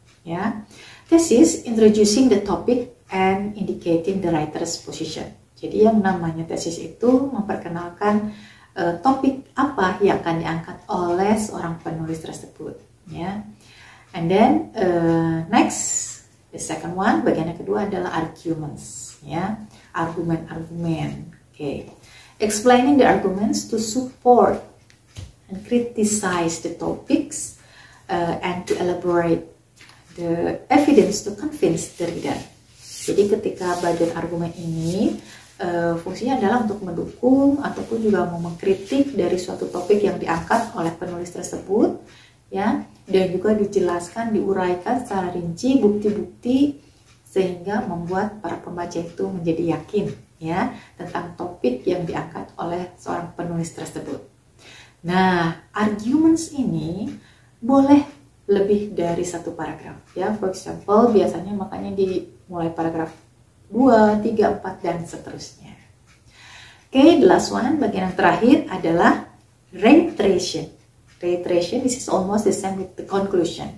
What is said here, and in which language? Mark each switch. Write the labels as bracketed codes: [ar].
[en] Ya, thesis introducing the topic and indicating the writer's position. [id] Jadi yang namanya tesis itu memperkenalkan topik apa yang akan diangkat oleh seorang penulis tersebut, ya. [en] And then next, the second one, [id] bagian yang kedua adalah [en] arguments, ya. [id] Argumen-argumen. Okay. [en] Explaining the arguments to support and criticize the topics and to elaborate the evidence to convince the reader. [id] Jadi ketika bagian argumen ini fungsinya adalah untuk mendukung ataupun juga mau mengkritik dari suatu topik yang diangkat oleh penulis tersebut, ya, dan juga dijelaskan, diuraikan secara rinci bukti-bukti sehingga membuat para pembaca itu menjadi yakin, ya, tentang topik yang diangkat oleh seorang penulis tersebut. Nah, arguments ini boleh lebih dari satu paragraf, ya. [en] For example, [id] biasanya makanya di mulai paragraf 2, 3, 4, dan seterusnya. [en] Okay, the last one, [id] bagian yang terakhir adalah [en] reiteration. Reiteration, this is almost the same with the conclusion.